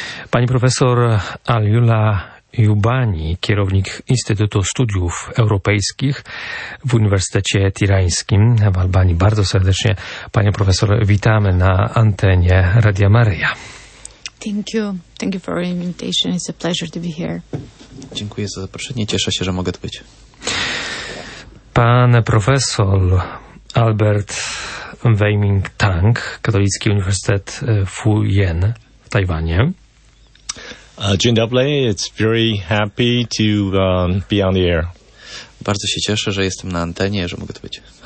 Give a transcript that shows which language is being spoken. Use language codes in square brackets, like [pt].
[pl] Pani profesor Aliula Jubani, kierownik Instytutu Studiów Europejskich w Uniwersytecie Tirańskim w Albanii. Bardzo serdecznie panią profesor witamy na antenie Radia Maryja. [en] Thank you for your invitation. It's a pleasure to be here. [pl] Dziękuję za zaproszenie. Cieszę się, że mogę tu być. Pan profesor Albert Weiming Tang, Katolicki Uniwersytet Fujian w Tajwanie. Dzień dobry, [en] it's very happy to be on the air. [pl] Bardzo się cieszę, że jestem na antenie, że mogę tu być.